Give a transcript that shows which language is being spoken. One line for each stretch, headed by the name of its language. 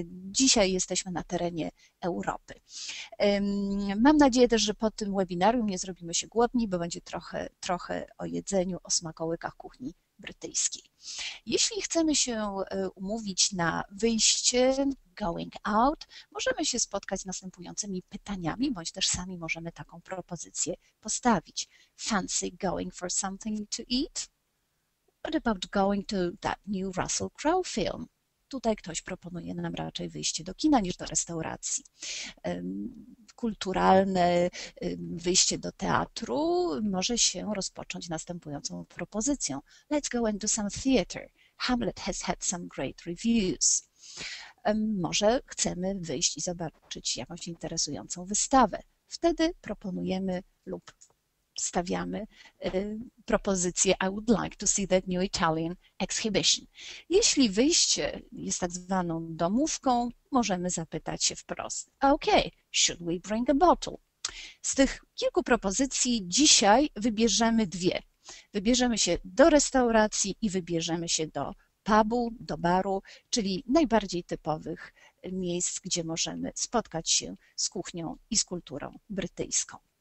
Polish: Dzisiaj jesteśmy na terenie Europy. Mam nadzieję też, że po tym webinarium nie zrobimy się głodni, bo będzie trochę o jedzeniu, o smakołykach kuchni brytyjskiej. Jeśli chcemy się umówić na wyjście, going out, możemy się spotkać z następującymi pytaniami, bądź też sami możemy taką propozycję postawić.
English: Fancy going for something to eat? What about going to that new Russell Crowe film?
Polish: Tutaj ktoś proponuje nam raczej wyjście do kina niż do restauracji. Kulturalne wyjście do teatru może się rozpocząć następującą propozycją.
English: Let's go and do some theater. Hamlet has had some great reviews.
Polish: Może chcemy wyjść i zobaczyć jakąś interesującą wystawę. Wtedy proponujemy lub stawiamy propozycję
English: I would like to see that new Italian exhibition.
Polish: Jeśli wyjście jest tak zwaną domówką, możemy zapytać się wprost.
English: OK, should we bring a bottle?
Polish: Z tych kilku propozycji dzisiaj wybierzemy dwie. Wybierzemy się do restauracji i wybierzemy się do pubu, do baru, czyli najbardziej typowych miejsc, gdzie możemy spotkać się z kuchnią i z kulturą brytyjską.